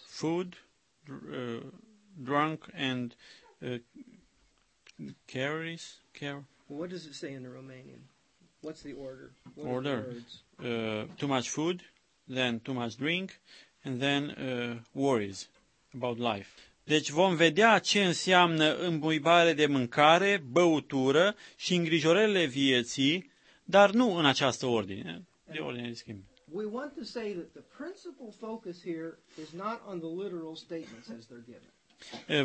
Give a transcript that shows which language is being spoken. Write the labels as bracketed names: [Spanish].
[English] Food, drunk, and caries, care. What does it say in the Romanian? What's the order? What order. Are the words? Too much food, then too much drink, and then worries about life. [Romanian] Deci vom vedea ce înseamnă îmbuibare de mâncare, băutură și îngrijorările vieții, dar nu în această ordine, de ordine de schimb. [English] We want to say that the principal focus here is not on the literal statements as they're given.